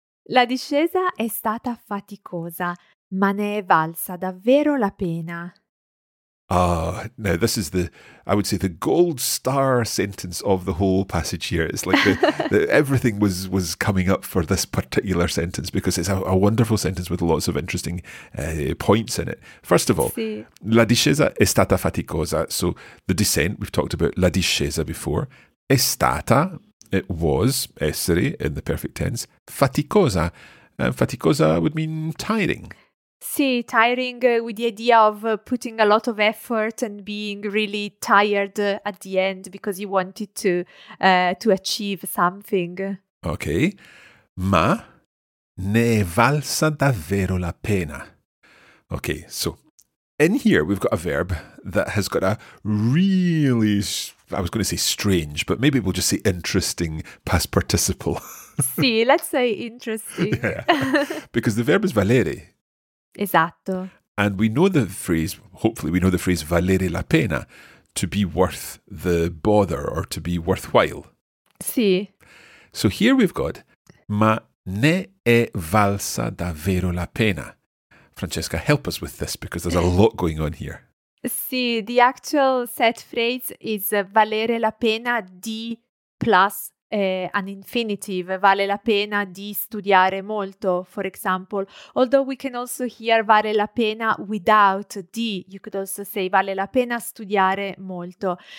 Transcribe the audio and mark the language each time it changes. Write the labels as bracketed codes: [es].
[it] La discesa è stata faticosa, ma ne è valsa davvero la pena. [en] Ah, now this is the gold star sentence of the whole passage here. It's like everything was coming up for this particular sentence, because it's a wonderful sentence with lots of interesting points in it. First of all, [it] sì. La discesa è stata faticosa. [en] So the descent, we've talked about la discesa before. È stata, it was, essere in the perfect tense. Faticosa, faticosa would mean tiring. Sì, tiring with the idea of putting a lot of effort and being really tired at the end because you wanted to achieve something. [it] Okay, ma ne è valsa davvero la pena. [en] Okay, so in here we've got a verb that has got a really, I was going to say strange, but maybe we'll just say interesting past participle. Sì, let's say interesting. Yeah. Because the verb is valere. [it] Esatto. [en] And we know the phrase, hopefully we know the phrase [it] valere la pena, [en] to be worth the bother or to be worthwhile. [it] Sì. [en] So here we've got, [it] ma ne è valsa davvero la pena. [en] Francesca, help us with this because there's a lot going on here. Sì, the actual set phrase is [it] valere la pena di [en] plus an infinitive, [it] vale la pena di studiare molto, [en] for example. Although we can also hear [it] vale la pena [en] without di, you could also say [it] vale la pena studiare molto.